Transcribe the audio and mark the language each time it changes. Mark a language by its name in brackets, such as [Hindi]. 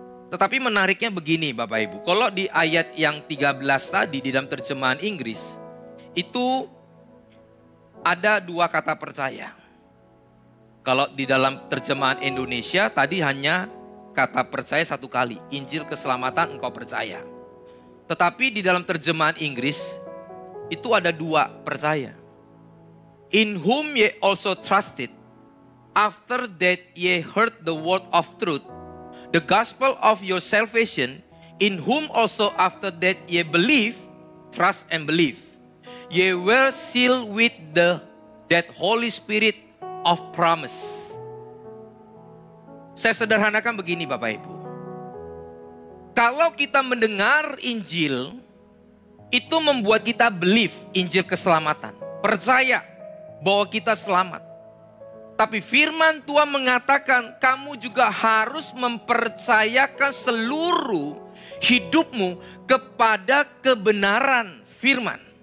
[Indonesian] Tetapi menariknya begini Bapak Ibu, kalau di ayat yang 13 tadi di dalam terjemahan Inggris, itu ada dua kata percaya. Kalau di dalam terjemahan Indonesia tadi hanya kata percaya satu kali, Injil keselamatan engkau percaya. Tetapi di dalam terjemahan Inggris itu ada dua percaya. [English] In whom ye also trusted after that ye heard the word of truth, the gospel of your salvation, in whom also after that ye believe, trust and believe, ye were sealed with that Holy Spirit of promise. [Indonesian] Saya sederhanakan begini Bapak Ibu. Kalau kita mendengar Injil, itu membuat kita believe, Injil keselamatan, percaya bahwa kita selamat. Tapi firman Tuhan mengatakan kamu juga harus mempercayakan seluruh hidupmu kepada kebenaran firman.